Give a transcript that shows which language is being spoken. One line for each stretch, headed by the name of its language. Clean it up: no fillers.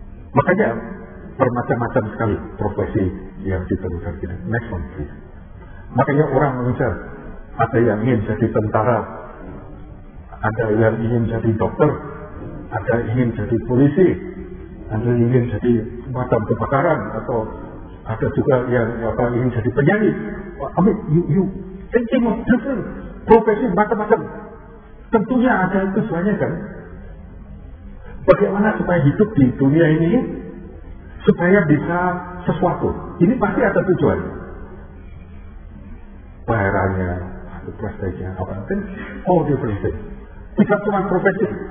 Indonesian: Makanya, bermacam-macam sekali profesi yang diperlukan kita.
English: Next one, please.
Indonesian: Makanya orang mengincar, ada yang ingin jadi tentara, ada yang ingin jadi dokter, ada yang ingin jadi polisi, ada yang ingin jadi pemadam kebakaran, atau ada juga yang apa ingin jadi penyanyi.
English: I mean, you thinking of different
Indonesian: profesi macam-macam. Tentunya ada itu semuanya kan. Bagaimana supaya hidup di dunia ini supaya bisa sesuatu. Ini pasti ada tujuan. Pelayarannya, prestasinya, apa kan?
English: All different things.
Indonesian: Tidak cuma profesi.